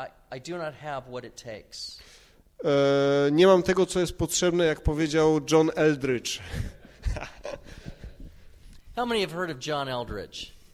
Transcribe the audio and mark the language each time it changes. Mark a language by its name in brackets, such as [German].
[English] I do not have what it takes. [Polish] Nie mam tego, co jest potrzebne, jak powiedział John Eldridge. [English] How many have heard of John Eldridge?